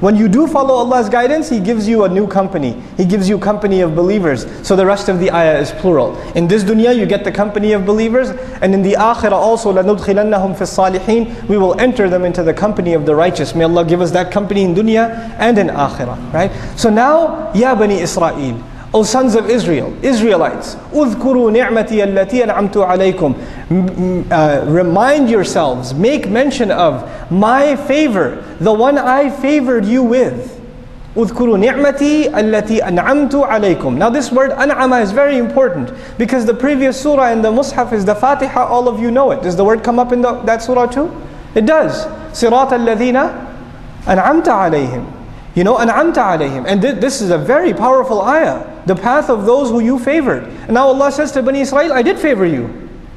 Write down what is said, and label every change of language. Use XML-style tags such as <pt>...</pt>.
<en>When you do follow Allah's guidance, He gives you a new company. He gives you company of believers. So the rest of the ayah is plural. In this dunya, you get the company of believers. And in the akhirah also,</en> <ar>لَنُدْخِلَنَّهُمْ فِي الصَّالِحِينَ.</ar> <en>We will enter them into the company of the righteous. May Allah give us that company in dunya and in akhirah. Right? So now,</en> <ar>يَا بَنِي إِسْرَائِيلِ.</ar> <en>O sons of Israel, Israelites,</en> <ar>اذكروا نعمتي التي أنعمت عليكم.</ar> <en>Remind yourselves, make mention of my favor, the one I favored you with.</en> <ar>اذكروا نعمتي التي أنعمت عليكم.</ar> <en>Now this word أنعم is very important, because the previous surah in the Mus'haf is the Fatiha, all of you know it. Does the word come up in that surah too? It does.</en> <ar>صراط الذين أنعمت عليهم.</ar> <en>You know,</en> <ar>أَنْعَمْتَ عَلَيْهِمْ.</ar> <en>And this is a very powerful ayah. The path of those who you favored. And now Allah says to Bani Israel, I did favor you.</en>